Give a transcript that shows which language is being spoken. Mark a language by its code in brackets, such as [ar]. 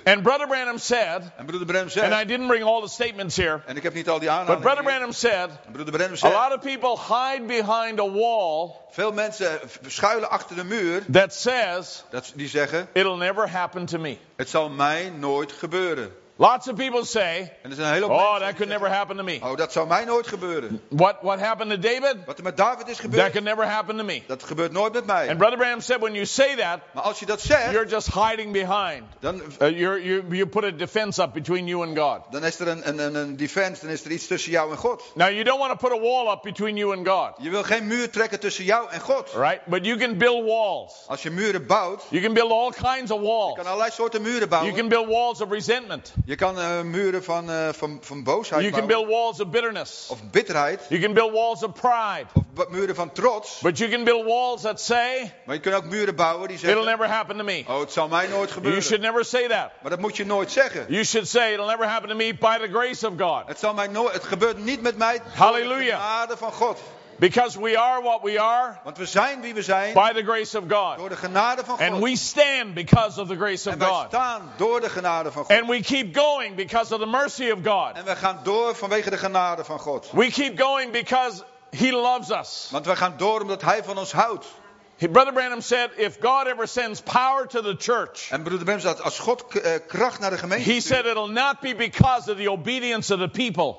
[en] And Brother Branham said. [nl] En Brother Branham zegt. [en] And I didn't bring all the statements here. [nl] En ik heb niet al die aandacht. [en] But Brother Branham said, a lot of people hide behind a wall. [nl] Veel mensen schuilen achter de muur. [en] That says, [nl] die zeggen, [en] it'll never happen to me. [nl] Het zal mij nooit gebeuren. [en] Lots of people say, [nl] en er zijn een hele [en] that could never happen to me. [nl] Oh, dat zou mij nooit gebeuren. [en] What happened to David? [nl] Wat er met David is gebeurd? [en] That could never happen to me. [nl] Dat gebeurt nooit met mij. [en] And Brother Branham said, when you say that, [nl] maar als je dat zegt, [en] you're just hiding behind. [nl] Dan, [en] you put a defense up between you and God. [nl] Dan is er een defense, dan is er iets tussen jou en God. [en] Now you don't want to put a wall up between you and God. [nl] Je wil geen muur trekken tussen jou en God. [en] Right? But you can build walls. [nl] Als je muren bouwt, [en] you can build all kinds of walls. [nl] Je kan allerlei soorten muren bouwen. [en] You can build walls of resentment. [nl] Je kan muren van boosheid bouwen. [en] You can build walls of bitterness. [nl] Of bitterheid. [en] You can build walls of pride. [nl] Of muren van trots. [en] But you can build walls that say, [nl] maar je kunt ook muren bouwen die zeggen, [en] it'll never happen to me. [nl] Oh, het zal mij nooit gebeuren. [en] You should never say that. [nl] Maar dat moet je nooit zeggen. [en] You should say, it'll never happen to me by the grace of God. [nl] Het gebeurt niet met mij. [en] Hallelujah. [nl] Door de genade van God. [en] Because we are what we are. [nl] Want we zijn wie we zijn. [en] By the grace of God. [nl] Door de genade van God. [en] And we stand because of the grace of God. [nl] En wij staan door de genade van God. [en] And we keep going because of the mercy of God. [nl] En we gaan door vanwege de genade van God. [en] We keep going because He loves us. [nl] Want we gaan door omdat Hij van ons houdt. [en] Brother Branham said, if God ever sends power to the church, [nl] en Broeder Branham zegt, als God kracht naar de gemeente, [en] he said it'll not be because of the obedience of the people.